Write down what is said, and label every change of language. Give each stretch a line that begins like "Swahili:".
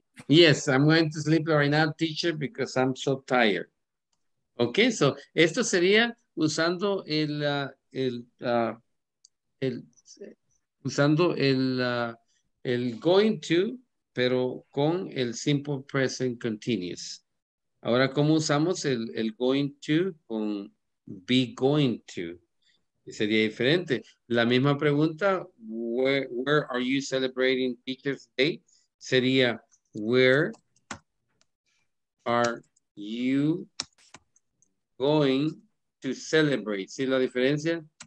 English: Yes, I'm going to sleep right now, teacher, because I'm so tired. Okay, so
Spanish: esto sería usando el going to, pero con el simple present continuous. Ahora, ¿cómo usamos el going to con be going to? Sería diferente. La misma pregunta,
English: where are you celebrating Teacher's Day?
Spanish: Sería,
English: where are you going to celebrate?
Spanish: ¿Sí la diferencia?